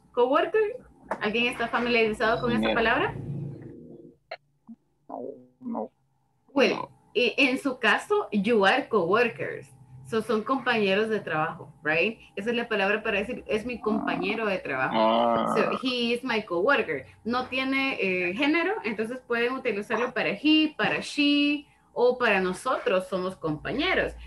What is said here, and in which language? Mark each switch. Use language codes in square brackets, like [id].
[es] Co-worker, ¿alguien está familiarizado con esa palabra? No. [en] Well, [es] en su caso, [en] you are co-workers. [es] So, son compañeros de trabajo, right? Esa es la palabra para decir, es mi compañero de trabajo. [en] So, he is my coworker. [es] No tiene género, entonces pueden utilizarlo para he, para she, o para nosotros somos compañeros.